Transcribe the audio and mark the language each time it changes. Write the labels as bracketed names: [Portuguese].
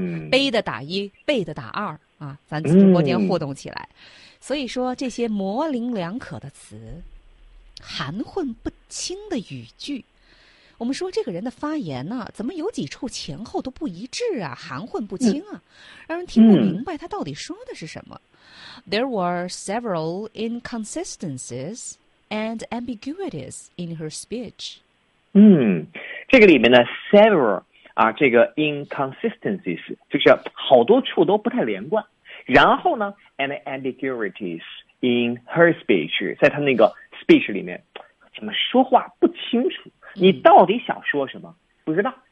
[Chinese] 背的打一，背的打二啊，咱直播间互动起来。所以说这些模棱两可的词。含混不清的语句，我们说这个人的发言呢、怎么有几处前后都不一致啊，含混不清啊，让人听不明白他到底说的是什么。 [English] There were several inconsistencies and ambiguities in her speech. [Chinese] 这个里面呢 several 啊，这个 inconsistencies 就是好多处都不太连贯，然后呢 ， [English] any ambiguities in her speech， [Chinese] 在她那个 speech 里面，怎么说话不清楚？你到底想说什么？不知道。